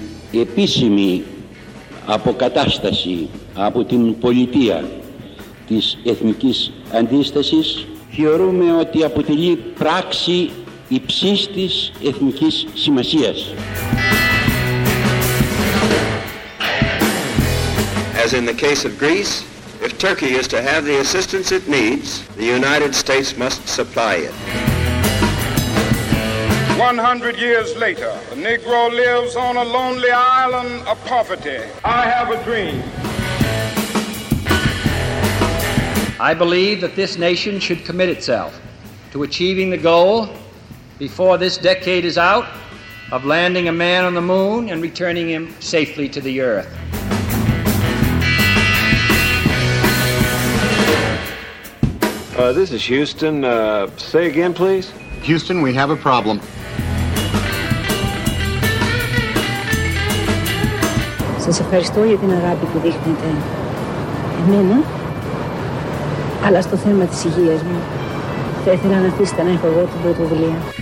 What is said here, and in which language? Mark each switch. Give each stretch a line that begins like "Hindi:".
Greek: Η επίσημη αποκατάσταση από την πολιτεία της εθνικής αντίστασης θεωρούμε ότι αποτελεί πράξη υψίστης εθνικής σημασίας.
English: As in the case of Greece, if Turkey is to have the assistance it needs, the United States must supply it. 100 years later, the Negro lives on a lonely island of poverty. I have a dream. I believe that this nation should commit itself to achieving the goal, before this decade is out, of landing a man on the moon and returning him safely to the earth. This is Houston. Say again, please. Houston, we have a problem.
Greek: Σας ευχαριστώ για την αγάπη που δείχνετε εμένα, αλλά στο θέμα της υγείας μου θα ήθελα να αφήσετε να έχω εγώ την πρωτοβουλία.